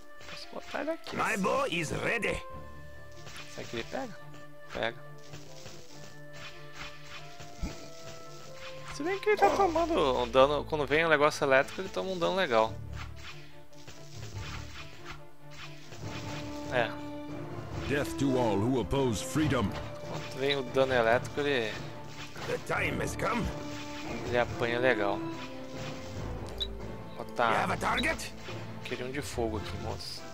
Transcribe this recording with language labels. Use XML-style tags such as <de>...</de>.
<pt>Posso botar ele aqui.</pt> <en>My bow is ready.</en> <pt>Será que ele pega? Pega. Se bem que ele tá tomando um dano. Quando vem um negócio elétrico, ele toma um dano legal. É.</pt> <en>Death to all who oppose freedom.</en> <pt>Quando vem o dano elétrico, ele.</pt> <en>The time has come.</en> <pt>Ele apanha legal. Botar. Queria um de fogo aqui, moço.</pt>